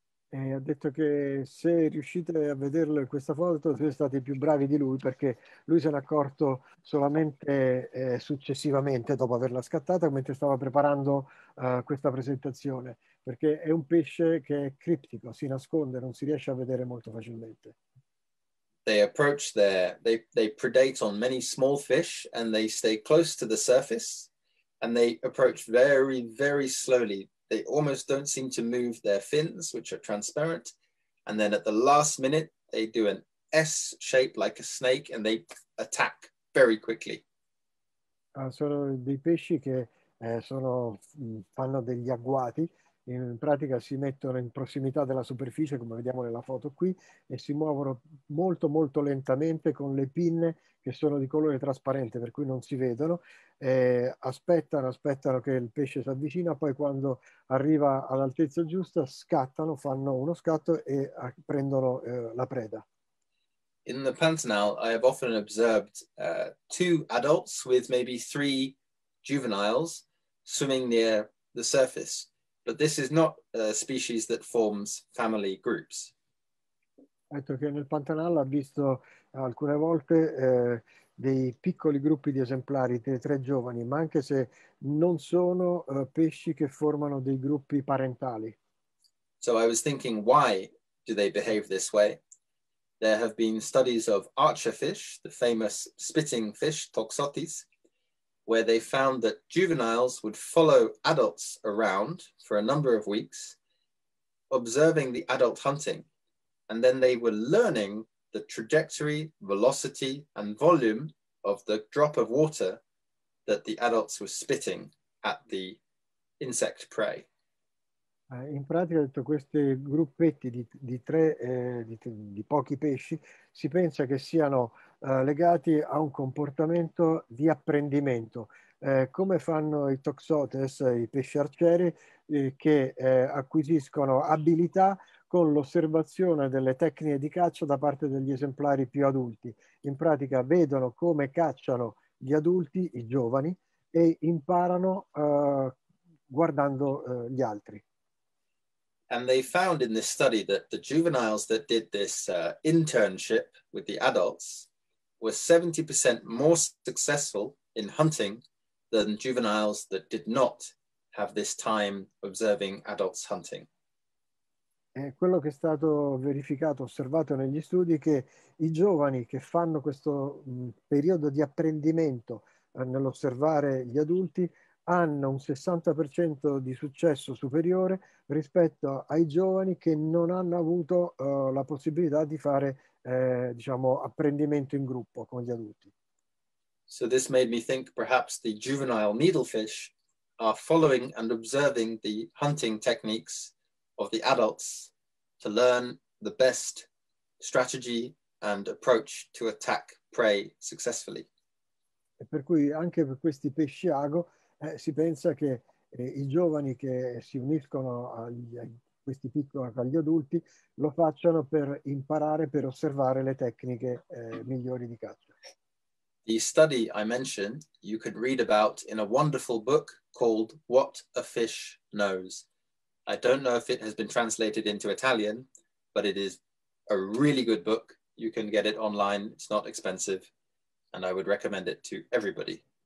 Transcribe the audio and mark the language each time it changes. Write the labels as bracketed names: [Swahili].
[Italian] E ha detto che se riuscite a vederlo in questa foto siete stati più bravi di lui, perché lui se n'è accorto solamente successivamente, dopo averla scattata, mentre stava preparando questa presentazione, perché è un pesce che è criptico, si nasconde, non si riesce a vedere molto facilmente. [English] They approach they predate on many small fish and they stay close to the surface and they approach very, very slowly. They almost don't seem to move their fins, which are transparent. And then at the last minute, they do an S shape like a snake and they attack very quickly. [Italian] Sono dei pesci che fanno degli agguati. In pratica si mettono in prossimità della superficie, come vediamo nella foto qui, e si muovono molto molto lentamente con le pinne che sono di colore trasparente, per cui non si vedono. Aspettano che il pesce si avvicina, poi quando arriva all'altezza giusta scattano, fanno uno scatto e prendono la preda. [English] In the Pantanal I have often observed two adults with maybe three juveniles swimming near the surface. But this is not a species that forms family groups. [Italian] Ecco che nel Pantanal ha visto alcune volte dei piccoli gruppi di esemplari, tre giovani, ma anche se non sono pesci che formano dei gruppi parentali. [English] So I was thinking, why do they behave this way? There have been studies of archer fish, the famous spitting fish, Toxotis, where they found that juveniles would follow adults around for a number of weeks, observing the adult hunting. And then they were learning the trajectory, velocity, and volume of the drop of water that the adults were spitting at the insect prey. [Italian] In pratica, detto, questi gruppetti di pochi pesci si pensa che siano legati a un comportamento di apprendimento, come fanno i toxotes, i pesci arcieri, che acquisiscono abilità con l'osservazione delle tecniche di caccia da parte degli esemplari più adulti. In pratica vedono come cacciano gli adulti, i giovani, e imparano guardando gli altri. [English] And they found in this study that the juveniles that did this internship with the adults were 70% more successful in hunting than juveniles that did not have this time observing adults hunting. [Italian] Quello che è stato verificato, osservato negli studi, è che i giovani che fanno questo periodo di apprendimento nell'osservare gli adulti hanno un 60% di successo superiore rispetto ai giovani che non hanno avuto la possibilità di fare diciamo, apprendimento in gruppo con gli adulti. [English] So this made me think perhaps the juvenile needlefish are following and observing the hunting techniques of the adults to learn the best strategy and approach to attack prey successfully. [Italian] E per cui anche per questi pesci ago si pensa che i giovani che si uniscono agli adulti lo facciano per imparare, per osservare le tecniche migliori di caccia. [English] The study I mentioned, you could read about in a wonderful book called What a Fish Knows. I don't know if it has been translated into Italian, but it is a really good book. You can get it online, it's not expensive, and I would recommend it to everybody.